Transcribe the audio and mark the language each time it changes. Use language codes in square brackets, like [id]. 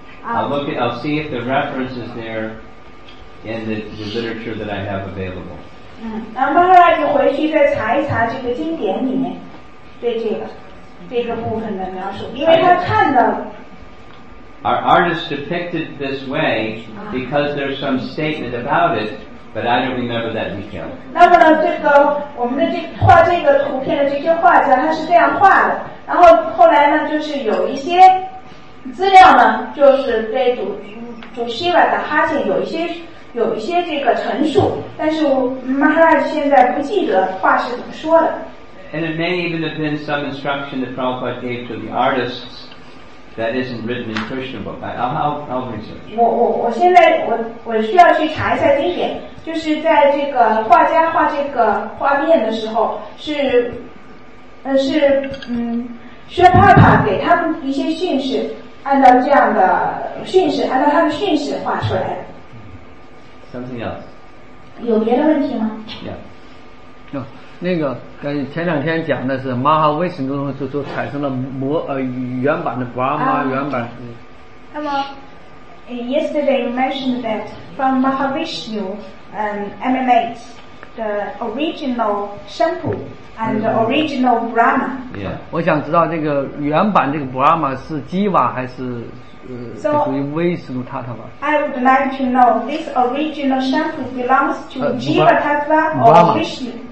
[en] I'll see if the reference is there in the literature that I have available. [zh] And Maharaj 回去再查一查这个经典里面对这个部分的描述，因为他看到。 [en] Our artists depicted this way because there's some statement about it, But I don't remember that detail. [zh] 那么呢，这个我们的这画这个图片的这些画家，他是这样画的。然后后来呢，就是有一些资料呢，就是对主希瓦的哈欠有一些这个陈述，但是马哈拉吉现在不记得画是怎么说的。 [en] And it may even have been some instruction that Prabhupada gave to the artists that isn't written in Krishna book. I'll research. [zh] 我现在我需要去查一下经典，就是在这个画家画这个画面的时候是薛帕帕给他们一些训示，按照这样的训示，按照他的训示画出来的。 [en] Something else. [zh] 有别的问题吗？ [en] Yeah. No. [zh] 那个跟前两天讲的是马哈威什努就产生了原版的布拉玛原版。 [en] 那么 ，yesterday you mentioned that from Mahavishnu emanates the original Shambhu and the original Brahma。 Yeah. [zh] 我想知道这个原版这个布拉玛是基瓦还是属于威什努塔塔吧 [en] ？I would like to know this original Shambhu belongs to Jiva Tattva or Vishnu。